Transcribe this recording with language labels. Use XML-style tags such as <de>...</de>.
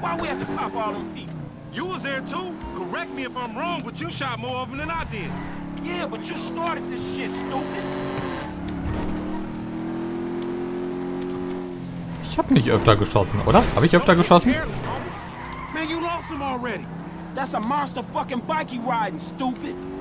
<en>Why we have to pop all them people? You was there too. Correct me if I'm wrong, but you shot more of them than I did. Yeah, but you started this shit, stupid.</en> <de>Ich hab nicht öfter geschossen, oder? Hab ich öfter geschossen?</de> <en>Man, you lost him already. That's a monster fucking bike you riding, stupid.</en>